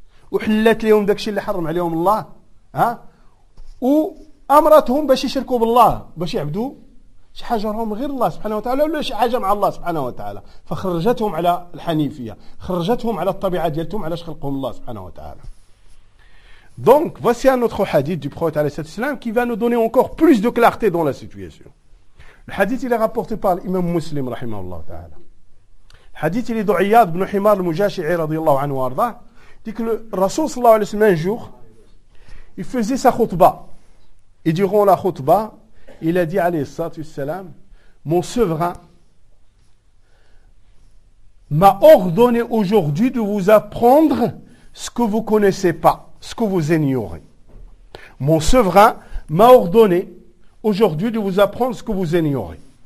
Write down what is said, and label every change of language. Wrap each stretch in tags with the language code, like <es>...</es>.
<ar>وحلت لهم داكشي اللي حرم عليهم الله ها، وأمرتهم باش يشركوا بالله باش يعبدوا شي حاجة لهم غير الله سبحانه وتعالى ولا شي حاجة مع الله سبحانه وتعالى، فخرجتهم على الحنيفية، خرجتهم على الطبيعة ديالتهم علاش خلقهم الله سبحانه وتعالى.</ar> <fr>دونك voici un autre hadith du prophète عليه الصلاة والسلام qui va nous donner encore plus de clarté dans la situation.</fr> <ar>الحديث اللي</ar> <fr>rapporté par l'imam</fr> <ar>مسلم رحمه الله تعالى. الحديث اللي دعياد بن حمار المجاشعي رضي الله عنه وارضاه</ar> <fr>dit que le Rasoul</fr> <ar>صلى الله عليه وسلم</ar> <fr>un jour il faisait sa khutba. Et durant la khutba, il a dit alayhi salatu wassalam, mon souverain m'a ordonné aujourd'hui de vous apprendre ce que vous connaissez pas, ce que vous ignorez. Mon souverain m'a ordonné aujourd'hui de vous apprendre ce que vous ignorez.</fr>